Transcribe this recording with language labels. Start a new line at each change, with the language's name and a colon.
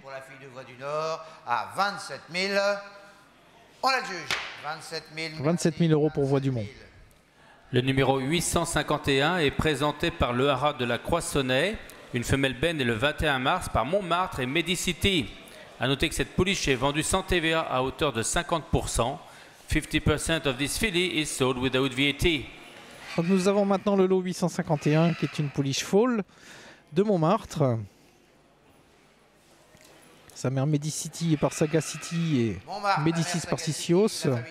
French: Pour la fille de Voix du Nord, à 27 000, on la juge. 27 000 euros pour Voix du Mont. Le numéro 851 est présenté par le haras de la Croissonnet. Une femelle benne est le 21 mars par Montmartre et Medicity. A noter que cette pouliche est vendue sans TVA à hauteur de 50%.
English: 50% of this filly is sold without VAT.
French: Donc nous avons maintenant le lot 851 qui est une pouliche foal de Montmartre. Sa mère Medicity et par Sagacity et Medicis Parsicios.